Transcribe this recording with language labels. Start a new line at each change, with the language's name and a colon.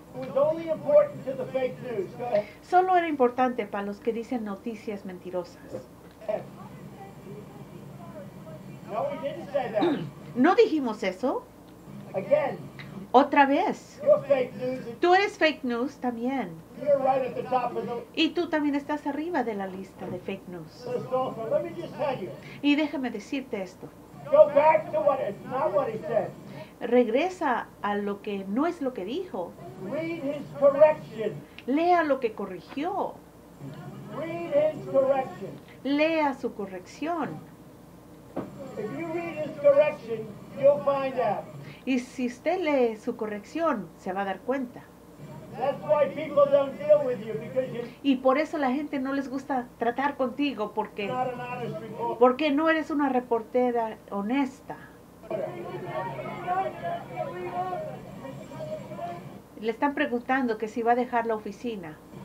English: It was only important to the fake news.
Spanish: Solo era importante para los que dicen noticias mentirosas.
English: No, we didn't say that.
Spanish: No dijimos eso.
English: Again.
Spanish: Otra vez.
English: You're fake news.
Spanish: Tú eres fake news también.
English: You're right at the top of the...
Spanish: Y tú también estás arriba de la lista de fake news.
English: Let me just tell you.
Spanish: Y déjame decirte esto.
English: Go back to what is, not what he said.
Spanish: Regresa a lo que no es lo que dijo.
English: Read his correction.
Spanish: Lea lo que corrigió.
English: Read his correction.
Spanish: Lea su corrección.
English: If you read his correction, you'll find out.
Spanish: Y si usted lee su corrección, se va a dar cuenta.
English: That's why people don't deal with you, because you,
Spanish: y por eso la gente no les gusta tratar contigo, porque no eres una reportera honesta. Le están preguntando que si va a dejar la oficina.